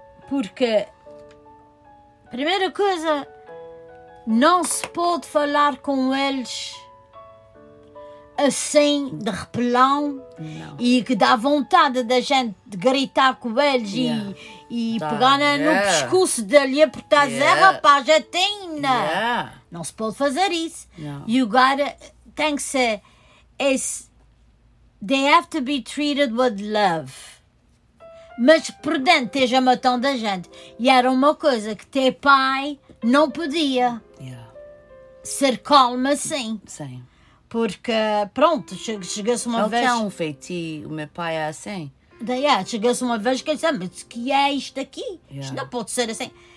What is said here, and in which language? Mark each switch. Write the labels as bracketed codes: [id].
[pt] Porque, primeira coisa, não se pode falar com eles assim, de repelão, não. E que dá vontade da gente de gritar com eles no pescoço dele e apertar, rapaz, atina! [en] Yeah. [pt] Não se pode fazer isso. Não. [en] You gotta, [pt] tem que ser, [en] they have to be treated with love. [pt] Mas por dentro esteja matando a gente. E era uma coisa que ter pai não podia. Ser calma assim. Sim. Porque, pronto, chegou-se uma vez. Tem um feitiço, o meu pai é assim. Chegou-se uma vez que ele disse: mas o que é isto aqui? Isto não pode ser assim.